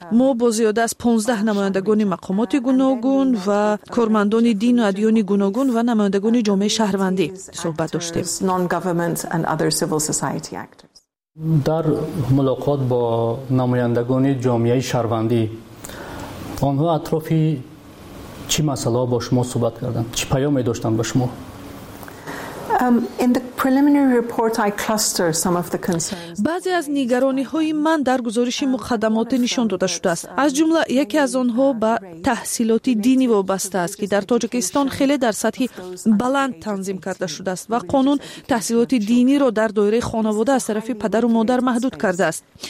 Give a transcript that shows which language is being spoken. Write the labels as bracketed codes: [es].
[fa] ما با زیاد از 15 نمایندگان مقامات گوناگون و کارمندان دین و ادیان گوناگون و نمایندگان جامعه شهروندی صحبت داشتیم. در ملاقات با نمایندگان جامعه شهروندی آنها اطراف چی مسئله با شما صحبت کردند؟ چی پیامی داشتند به شما؟ [en] In the preliminary report, I cluster some of the concerns. [fa] بعضی از نگرانی‌های من در گزارش مقدمات نشان داده شده است. از جمله یکی از آنها به تحصیلات دینی وابسته است که در تاجیکستان خیلی در سطح بلند تنظیم کرده شده است و قانون تحصیلات دینی را در دایره خانواده از طرف پدر و مادر محدود کرده است.